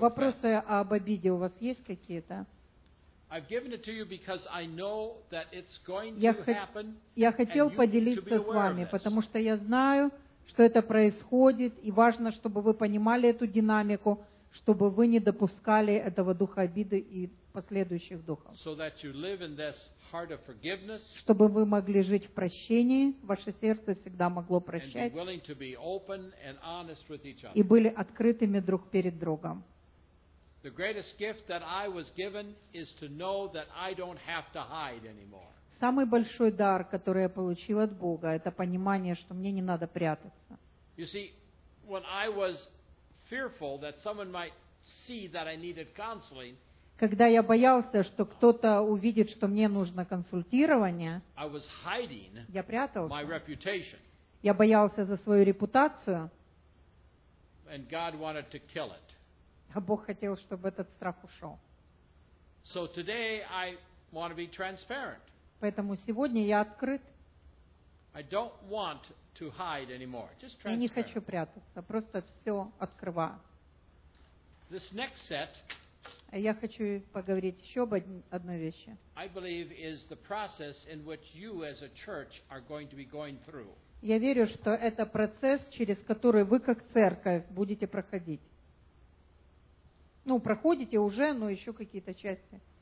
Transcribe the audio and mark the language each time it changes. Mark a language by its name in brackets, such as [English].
[Russian] Вопросы об обиде у вас есть какие-то? [English] I've given it to you because I know that it's going to happen. [Russian] Я хотел поделиться с вами, потому что я знаю, что это происходит, и важно, чтобы вы понимали эту динамику, чтобы вы не допускали этого духа обиды и последующих духов. [English] So that you live in this heart of forgiveness. [Russian] Чтобы вы могли жить в прощении, ваше сердце всегда могло прощать. [English] And willing to be open and honest with each other. [Russian] И были открытыми друг перед другом. [English] The greatest gift that I was given is to know that I don't have to hide anymore. [Russian] Самый большой дар, который я получил от Бога, это понимание, что мне не надо прятаться. [English] You see, when I was fearful that someone might see that I needed counseling, [Russian] когда я боялся, что кто-то увидит, что мне нужно консультирование, [English] I was hiding [Russian] я прятался. [English] My reputation. [Russian] Я боялся за свою репутацию. [English] And God wanted to kill it. [Russian] А Бог хотел, чтобы этот страх ушел. [English] So today I want to be transparent. [Russian] Поэтому сегодня я открыт. [English] I don't want to hide anymore. Just transparent. [Russian] Я не хочу прятаться, просто все открываю. [English] This next set, [Russian] я хочу поговорить еще об одной вещи. [English] I believe is the process in which you as a church are going to be going through. [Russian] Я верю, что это процесс, через который вы как церковь будете проходить. Ну, проходите уже, но еще какие-то части.